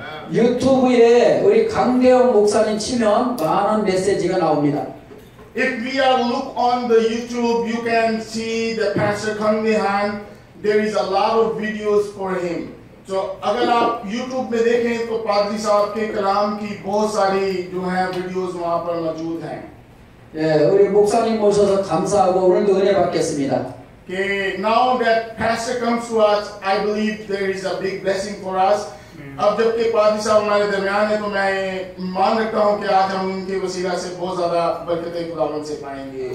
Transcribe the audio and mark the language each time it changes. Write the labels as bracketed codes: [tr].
[ko] 유튜브에 우리 강대영 목사님 치면 많은 메시지가 나옵니다. [en] If we are look on the YouTube, you can see the Pastor Kang Dehan. There is a lot of videos for him. [hi] So, 어, आप YouTube 에 देखें तो पादरी साहब के कलाम की बहुत सारी जो है वीडियोस वहां पर मौजूद हैं. [ko] 예, 우리 목사님 모셔서 감사하고 오늘도 은혜 받겠습니다. [en] Okay, now that Pastor comes to us, I believe there is a big blessing for us. [hi] अब जबकि पादरी साहब हमारे दरमियान है तो मैं मान रखता हूँ कि आज हम उनके वसीला से बहुत ज्यादा बरकतें खुदावंद से पाएंगे।